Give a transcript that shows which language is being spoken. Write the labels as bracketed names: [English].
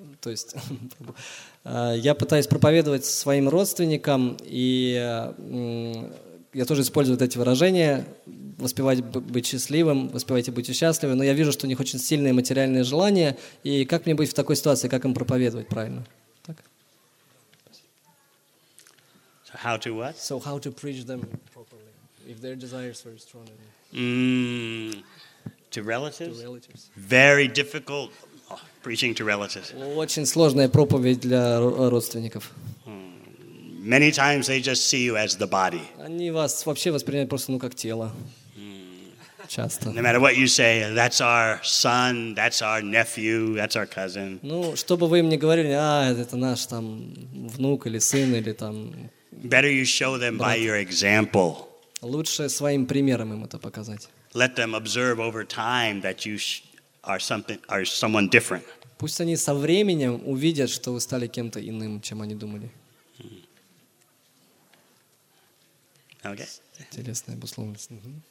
[Russian] То есть я пытаюсь проповедовать своим родственникам, и я тоже использую эти выражения. Воспевать быть счастливым, воспевать и быть счастливым, но я вижу, что у них очень сильные материальные желания, и как мне быть в такой ситуации, как им проповедовать правильно? Так. [English] So how to what? So how to preach them properly, if their desires are strong enough. To relatives? To relatives. Very difficult preaching to relatives. [Russian] Очень сложная проповедь для родственников. [English] Many times they just see you as the body. [Russian] Они вас вообще воспринимают просто как тело. Часто. [English] No matter what you say, that's our son, that's our nephew, that's our cousin. [Russian] Что бы вы им ни говорили, это наш внук или сын или [English] Better you show them by your example. [Russian] Лучше своим примером им это показать. [English] Let them observe over time that you are someone different. [Russian] Пусть они со временем увидят, что вы стали кем-то иным, чем они думали. [English] Okay. [Russian] Интересная обусловленность. Угу.